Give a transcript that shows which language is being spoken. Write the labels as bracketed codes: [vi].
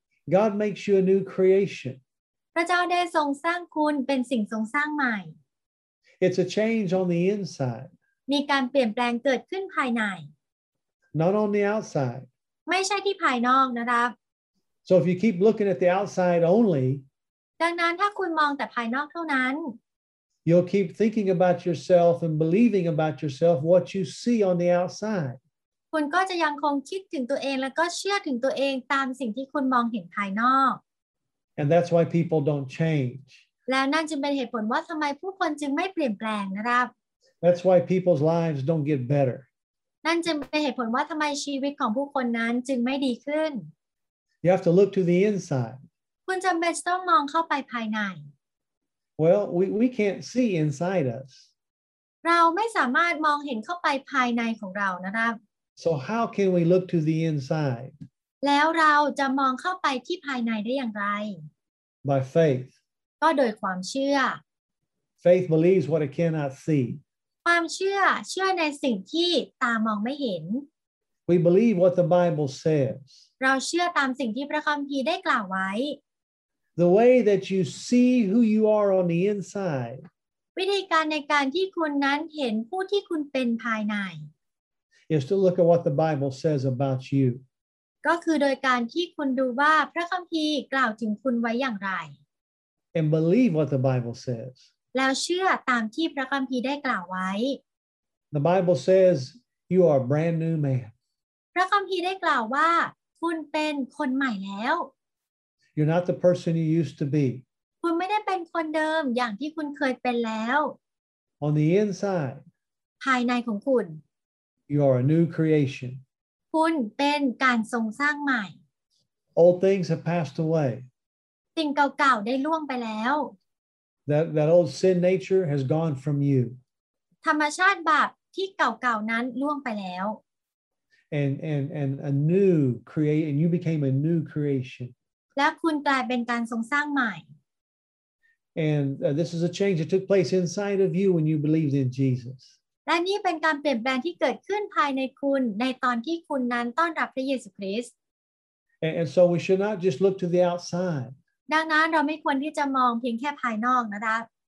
[en] God makes you a new creation. [th] พระเจ้าได้ทรงสร้างคุณเป็นสิ่งทรงสร้างใหม่ [en] It's a change on the inside. [th] มีการเปลี่ยนแปลงเกิดขึ้นภายใน [en] Not on the outside. [th] ไม่ใช่ที่ภายนอกนะครับ [en] So if you keep looking at the outside only, [th] ดังนั้นถ้าคุณมองแต่ภายนอกเท่านั้น [en] You'll keep thinking about yourself and believing about yourself what you see on the outside. [th] คุณก็จะยังคงคิดถึงตัวเองแล้วก็เชื่อถึงตัวเองตามสิ่งที่คุณมองเห็นภายนอก [en] And that's why people don't change. [th] แล้วนั่นจึงเป็นเหตุผลว่าทำไมผู้คนจึงไม่เปลี่ยนแปลงนะครับ [en] That's why people's lives don't get better. [th] นั่นจึงเป็นเหตุผลว่าทำไมชีวิตของผู้คนนั้นจึงไม่ดีขึ้น [en] You have to look to the inside. [th] คุณจำเป็นต้องมองเข้าไปภายใน [en] Well, we can't see inside us. [th] เราไม่สามารถมองเห็นเข้าไปภายในของเรานะครับ [en] So how can we look to the inside? [th] แล้วเราจะมองเข้าไปที่ภายในได้อย่างไร [en] By faith. [th] ก็โดยความเชื่อ [en] Faith believes what it cannot see. [th] ความเชื่อในสิ่งที่ตามองไม่เห็น [en] We believe what the Bible says. [th] เราเชื่อตามสิ่งที่พระคัมภีร์ได้กล่าวไว้ [en] The way that you see who you are on the inside. [th] วิธีการในการที่คุณนั้นเห็นผู้ที่คุณเป็นภายใน [en] is to look at what the Bible says about you. [th] ก็คือโดยการที่คุณดูว่าพระคัมภีร์กล่าวถึงคุณไว้อย่างไร [en] and believe what the Bible says. [th] แล้วเชื่อตามที่พระคัมภีร์ได้กล่าวไว้ [en] The Bible says you are a brand new man. [th] พระคัมภีร์ได้กล่าวว่าคุณเป็นคนใหม่แล้ว [en] You're not the person you used to be. [th] คุณไม่ได้เป็นคนเดิมอย่างที่คุณเคยเป็นแล้ว [en] On the inside. [th] ภายในของคุณ [en] You are a new creation. [th] คุณเป็นการทรงสร้างใหม่ [en] Old things have passed away. [th] สิ่งเก่าๆได้ล่วงไปแล้ว [en] That old sin nature has gone from you. [th] ธรรมชาติบาปที่เก่าๆนั้นล่วงไปแล้ว [en] And a new create and you became a new creation. [th] และคุณกลายเป็นการทรงสร้างใหม่ [en] And this is a change that took place inside of you when you believed in Jesus. [th] และนี่เป็นการเปลี่ยนแปลงที่เกิดขึ้นภายในคุณในตอนที่คุณนั้นต้อนรับพระเยซูคริสต์ [en] And so we should not just look to the outside. [th] ดังนั้นเราไม่ควรที่จะมองเพียงแค่ภายนอกนะครับ